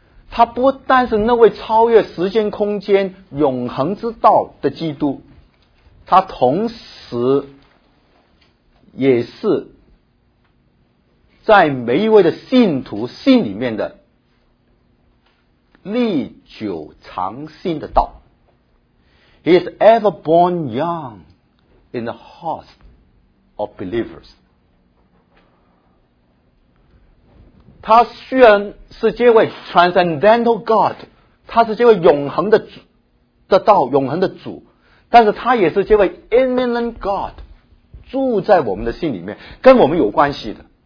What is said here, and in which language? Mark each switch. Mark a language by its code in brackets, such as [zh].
[zh] 他不但是那位超越时间空间永恒之道的基督，他同时也是在每一位的信徒心里面的历久长新的道。 [en] He is ever born young in the hearts of believers。 [zh] 他虽然是这位 [en] transcendental God， [zh] 他是这位永恒的主的道，永恒的主，但是他也是这位 [en] immanent God， [zh] 住在我们的心里面，跟我们有关系的。